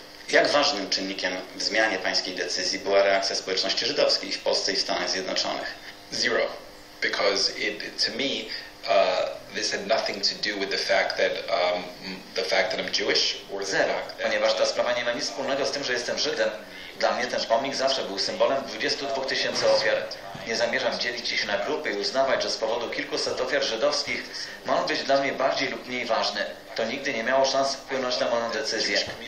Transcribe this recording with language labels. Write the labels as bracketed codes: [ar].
[pl] Jak ważnym czynnikiem w zmianie pańskiej decyzji była reakcja społeczności żydowskiej w Polsce i w Stanach Zjednoczonych? Zero. [en] Because to me, this had nothing to do with the fact that I'm Jewish. Zero. [pl] Ponieważ ta sprawa nie ma nic wspólnego z tym, że jestem Żydem. Dla mnie ten pomnik zawsze był symbolem 22 tysięcy ofiar. Nie zamierzam dzielić ich na grupy i uznawać, że z powodu kilkuset ofiar żydowskich ma on być dla mnie bardziej lub mniej ważny. To nigdy nie miało szans wpłynąć na moją decyzję.